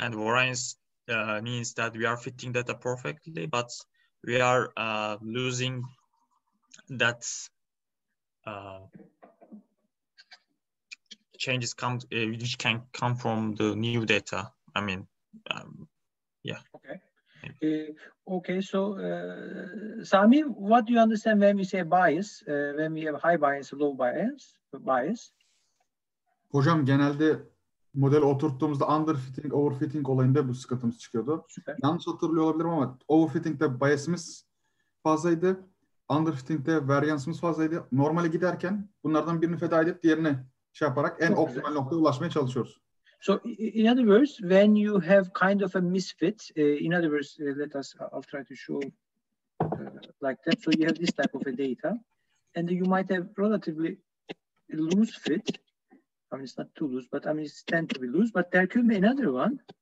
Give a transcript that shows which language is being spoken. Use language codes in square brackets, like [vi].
[en] And variance means that we are fitting data perfectly, but we are losing that changes come which can come from the new data. I mean, yeah. Okay. Okay. So, Sami, what do you understand when we say bias? When we have high bias, low bias, bias? [tr] Hocam, genelde modeli oturttuğumuzda underfitting, overfitting olayında bu sıkıntımız çıkıyordu. Süper. Yanlış hatırlıyor olabilirim ama overfitting'de biasımız fazlaydı. Underfitting'de variance'ımız fazlaydı. Normale giderken bunlardan birini feda edip diğerini şey yaparak en çok optimal güzel noktaya ulaşmaya çalışıyoruz. [en] So in other words, when you have kind of a misfit, in other words, let us, I'll try to show like that. So you have this type of a data and you might have relatively loose fit. I mean, it's not too loose, but I mean, it's tend to be loose, but there could be another one.